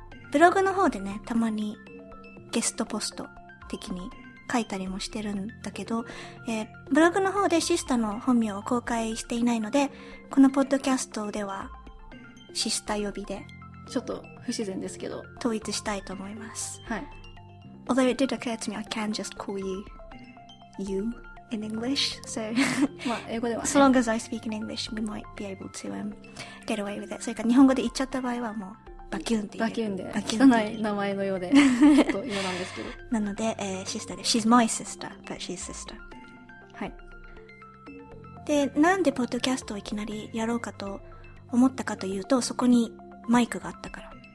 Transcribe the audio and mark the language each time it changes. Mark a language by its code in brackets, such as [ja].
[ja] ブログの方でね、たまにゲストポスト的に書いたりもしてるんだけど、ブログの方でシスタの本名を公開していないので、このポッドキャストではシスタ呼びでちょっと不自然ですけど統一したいと思います。はい。 [en] Although it did occur to me, I can just call you you in English, so [ja] まあ英語では、 [en] ね、so long as I speak in English, we might be able to get away with it。 [ja] それか日本語で言っちゃった場合はもうバキュンって言う、バキュンで、汚い名前のようでちょっと嫌なんですけど、なので、シスターで、 [en] She's my sister, but she's sister。 [ja] はい。で、なんでポッドキャストをいきなりやろうかと思ったかというと、そこにマイクがあったから。